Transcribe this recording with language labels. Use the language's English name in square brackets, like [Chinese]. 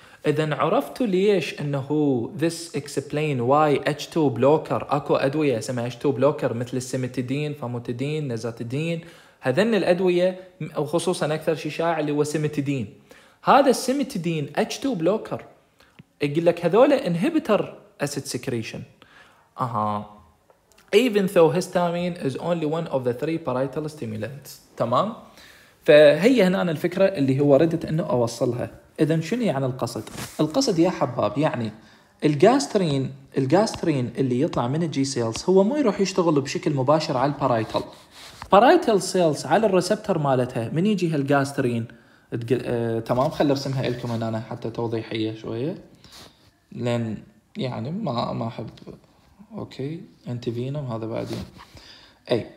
[Arabic] إذن عرفتوا ليش أنه [English] this explain why H2 blocker [Arabic] أكو أدوية اسمها H2 blocker مثل السيميتيدين، فاموتيدين، نزاتيدين، هذن الأدوية وخصوصا أكثر شيء شائع اللي هو سيميتيدين. هذا السيميتيدين H2 blocker يقول لك هذول [English] inhibitor acid secretion. أها. Even though histamine is only one of the three parietal stimulants. [Arabic] تمام؟ فهي هنا أنا الفكرة اللي هو ردت أنه أوصلها. إذن شنو يعني القصد؟ القصد يا حباب يعني الجاسترين، الجاسترين اللي يطلع من الجي سيلز هو مو يروح يشتغل بشكل مباشر على البارايتال. بارايتال سيلز على الريسبتر مالتها من يجي هالجاسترين تمام، خلي ارسمها لكم انا حتى توضيحيه شويه، لان يعني ما احب اوكي انتفينم هذا بعدين اي.